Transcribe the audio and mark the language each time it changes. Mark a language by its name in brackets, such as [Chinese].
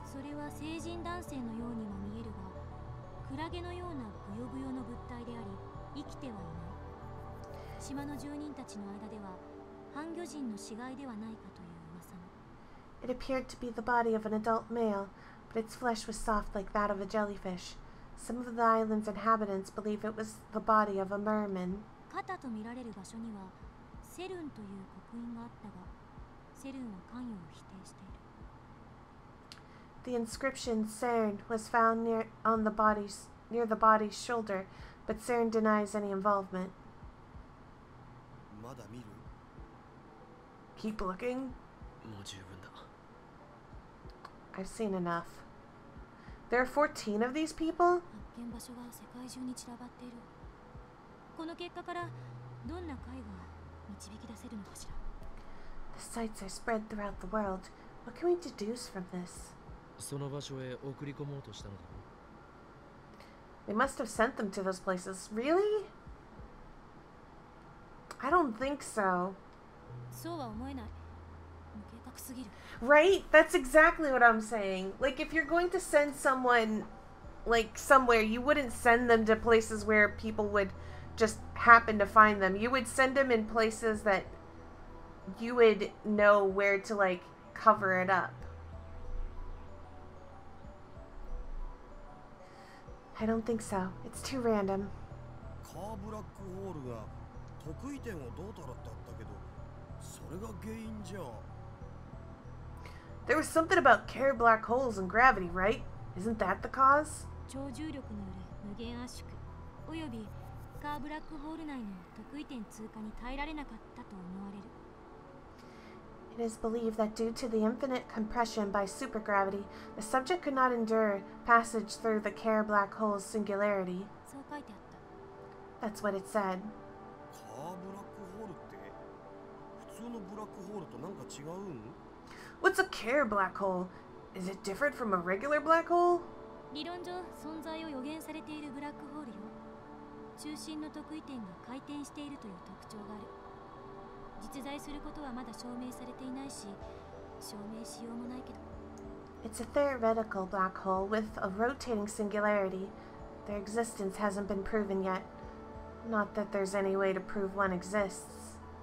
[Japanese] それは成人男性のようにも見えるが、クラゲのようなブヨブヨの物体であり、生きてはいない。島の住人たちの間では、ハンギョジンの死骸ではないかという噂も。 [English] It appeared to be the body of an adult male, but its flesh was soft like that of a jellyfish. Some of the island's inhabitants believe it was the body of a merman. [Japanese] 肩と見られる場所には、セルンという刻印があったが、セルンは関与を否定している。 [English] The inscription Cern was found near the body's shoulder, but Cern denies any involvement. [Japanese] まだ見る? [English] Keep looking. [Japanese] もう十分だ。 [English] I've seen enough. There are 14 of these people? [Japanese] 発見場所が世界中に散らばっている。この結果からどんな解が導き出せるのかしら? [English] The sites are spread throughout the world. What can we deduce from this? [Japanese] その場所へ送り込もうとしたのだろう。 [English] They must have sent them to those places. Really? I don't think so. [Japanese] そうは思えない。無計画すぎる。 [English] Right? That's exactly what I'm saying. Like, if you're going to send someone, like, somewhere, you wouldn't send them to places where people would just happen to find them. You would send them in places that you would know where to, like, cover it up. I don't think so. It's too random. [Japanese] カーブラックホールが得意点をどうたらだったけど、それが原因じゃ。 [English] There was something about Kerr black holes and gravity, right? Isn't that the cause? [Japanese] 超重力による無限圧縮、およびカーブラックホール内の得意点通過に耐えられなかったと思われる。 [English] It is believed that due to the infinite compression by supergravity, the subject could not endure passage through the Kerr black hole's singularity. [Japanese] そう書いてあった。 [English] That's what it said. [Japanese] カーブラックホールって普通のブラックホールとなんか違うん? [English] What's a Kerr black hole? Is it different from a regular black hole? [Japanese] 理論上存在を予言されているブラックホールよ。中心の得意点が回転しているという特徴がある。実在することはまだ証明されていないし、証明しようもないけど。 [English] It's a theoretical black hole with a rotating singularity. Their existence hasn't been proven yet. Not that there's any way to prove one exists.